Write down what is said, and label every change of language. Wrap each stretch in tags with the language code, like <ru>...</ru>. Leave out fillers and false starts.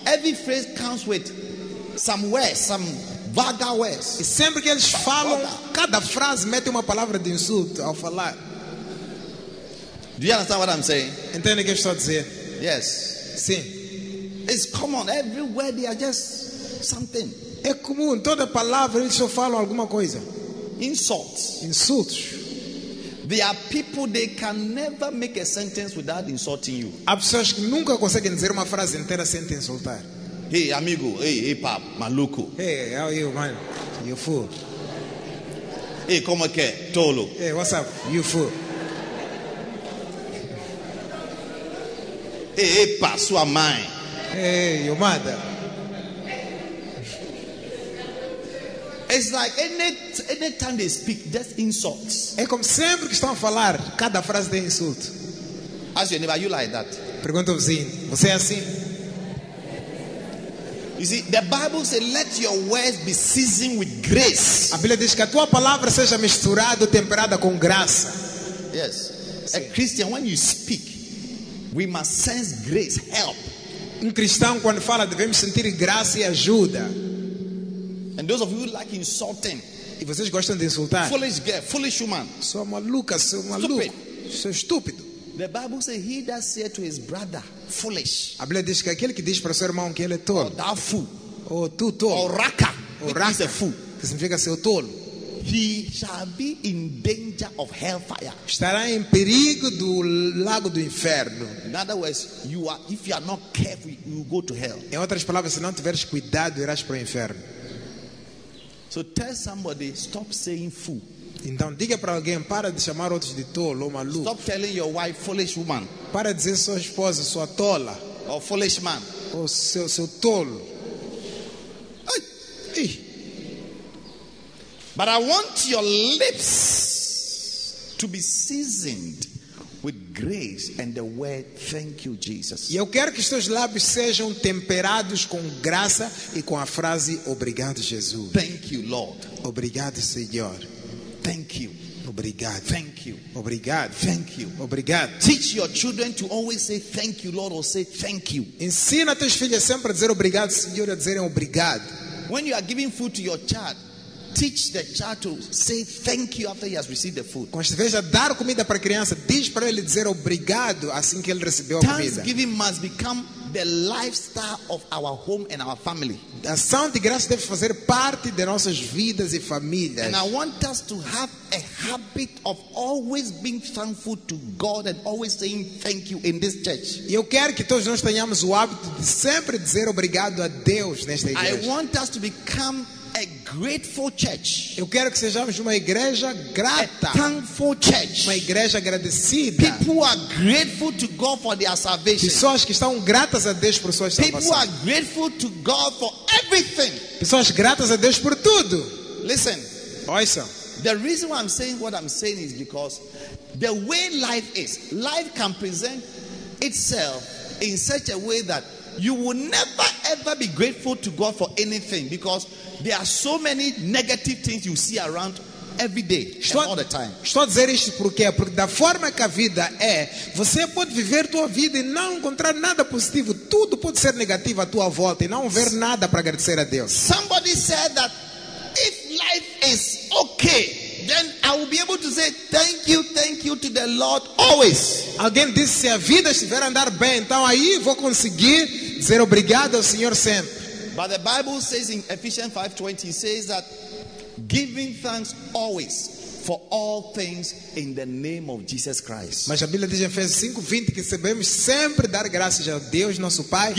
<en>Every phrase comes with some words, some vulgar words.</en> <pt>E sempre que eles falam, cada frase mete uma palavra de insulto ao falar.</pt> <en>Do you understand what I'm saying?</en> <pt>Entende o que eu estou a dizer?</pt> <en>Yes.</en> <pt>Sim.</pt> <en>It's common. Everywhere they are just something.</en> <pt>É comum, toda palavra eles só falam alguma coisa.</pt> <en>insults. Insults. There are people, they can never make a sentence without insulting you.</en> <pt>Há pessoas que nunca conseguem dizer uma frase inteira sem te insultar. Hey, amigo. Hey, pap. Maluco.</pt> <en>Hey, how are you, man? You fool.</en> <pt>Hey, como é que é? Tolo.</pt> <en>Hey, what's up? You fool.</en> <pt>Hey, epa, sua mãe.</pt> <en>Hey, your mother. It's like any time they speak, just insults.</en> <pt>É como sempre que estão a falar, cada frase tem insulto.</pt> <en>Ask your neighbor, are you like that?</en> <pt>Pergunta ao vizinho, você é assim?</pt> <en>You see, the Bible says, let your words be seasoned with grace.</en> <pt>A Bíblia diz que a tua palavra seja misturada, temperada com graça.</pt> <en>Yes.</en> <pt>Sim.</pt> <en>A Christian, when you speak, we must sense grace, help.</en> <pt>Um cristão, quando fala, devemos sentir graça e ajuda.</pt> <en>And those of you who like insulting,</en> <pt>e vocês gostam de insultar?</pt> <en>Foolish girl, foolish woman.</en> <pt>Sou maluca, sou maluco. Sou estúpido.</pt> <en>The Bible says he that said to his brother, foolish.</en> <pt>A Bíblia diz que aquele que diz para seu irmão que ele é tolo.</pt> <en>Oh, that fool.</en> <pt>Oh, tu tolo.</pt> <en>Oh, raca.</en> <pt>Oh, raca.</pt> <en>He's a fool.</en> <pt>Que significa ser tolo.</pt> <en>He shall be in danger of hellfire.</en> <pt>Estará em perigo do lago do inferno.</pt> <en>In other words, if you are not careful, you will go to hell.</en> <pt>Em outras palavras, se não tiveres cuidado, irás para o inferno.</pt> <en>So tell somebody, stop saying fool.</en> <pt>Então diga para alguém, para de chamar outros de tolo ou maluco.</pt> <en>Stop telling your wife, foolish woman.</en> <pt>Para de dizer sua esposa, sua tola.</pt> <en>Or foolish man.</en> <pt>Ou seu tolo. Ai.</pt> <en>But I want your lips to be seasoned with grace and the word thank you, Jesus.</en> <pt>E eu quero que os teus lábios sejam temperados com graça e com a frase obrigado, Jesus.</pt> <en>Thank you, Lord.</en> <pt>Obrigado, Senhor.</pt> <en>Thank you.</en> <pt>Obrigado.</pt> <en>Thank you.</en> <pt>Obrigado.</pt> <en>Thank you.</en> <pt>Obrigado.</pt> <en>Teach your children to always say thank you, Lord, or say thank you.</en> <pt>Ensina teus filhos sempre a dizer obrigado, Senhor, a dizerem obrigado.</pt> <en>When you are giving food to your child, teach the child to say thank you after he has received the food.</en> <pt>Quando estiveres a dar comida para a criança, diz para ele dizer obrigado assim que ele recebeu a comida.</pt> <en>Thanksgiving must become the lifestyle of our home and our family.</en> <pt>A ação de graça deve fazer parte de nossas vidas e famílias.</pt> <en>And I want us to have a habit of always being thankful to God and always saying thank you in this church.</en> <pt>E eu quero que todos nós tenhamos o hábito de sempre dizer obrigado a Deus nesta igreja.</pt> <en>I want us to become a grateful church.</en> <pt>Eu quero que sejamos uma igreja grata.</pt> <en>A thankful church.</en> <pt>Uma igreja agradecida.</pt> <en>People are grateful to God for their salvation.</en> <pt>Pessoas que estão gratas a Deus por sua salvação.</pt> <en>People are grateful to God for everything.</en> <pt>Pessoas gratas a Deus por tudo.</pt> <en>Listen.</en> <pt>Ouça.</pt> <en>The reason why I'm saying what I'm saying is because the way life is, life can present itself in such a way that you will never ever be grateful to God for anything, because there are so many negative things you see around every day and all the time.</en> <pt>Estou a dizer isto porque da forma que a vida é, você pode viver tua vida e não encontrar nada positivo. Tudo pode ser negativo à tua volta e não ver nada para agradecer a Deus.</pt> <en>Somebody said that if life is okay, then I will be able to say thank you to the Lord always.</en> <pt>Alguém disse, se a vida estiver a andar bem, então aí vou conseguir dizer obrigado ao Senhor sempre.</pt> <en>But the Bible says in Ephesians 5:20, it says that giving thanks always for all things in the name of Jesus Christ.</en> <pt>Mas a Bíblia diz em Efésios 5:20 que devemos sempre dar graças a Deus nosso Pai</pt>